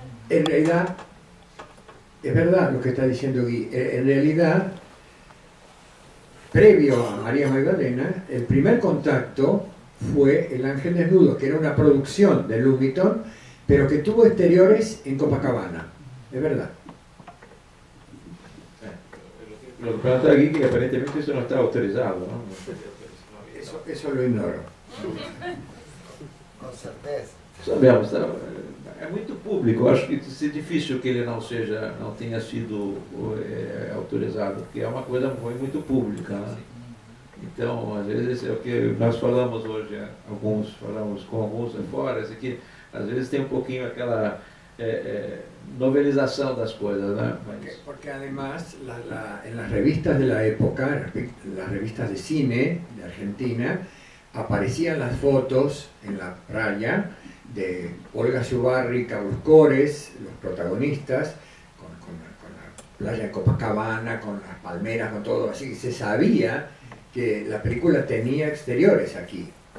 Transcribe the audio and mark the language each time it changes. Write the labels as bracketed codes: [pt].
[es] En realidad, es verdad lo que está diciendo Gui, en realidad, previo a María Magdalena, el primer contacto fue el ángel desnudo, que era una producción de Louis Vuitton, pero que tuvo exteriores en Copacabana. Es verdad. Lo que pregunta Gui, que aparentemente eso no está autorizado, ¿no? Eso lo ignoro. [pt] Com certeza. Sabemos, é muito público. Acho que é difícil que ele não tenha sido autorizado, porque é uma coisa muito pública. Né? Então, às vezes, é o que nós falamos hoje, falamos com alguns fora, é que às vezes tem um pouquinho aquela novelização das coisas. Né? [es] Porque además, em as revistas de la época, las revistas de cine de Argentina, aparecían las fotos en la playa de Olga Zubarri y Carlos Cores, los protagonistas, con la playa de Copacabana, con las palmeras, con todo, así que se sabía que la película tenía exteriores aquí.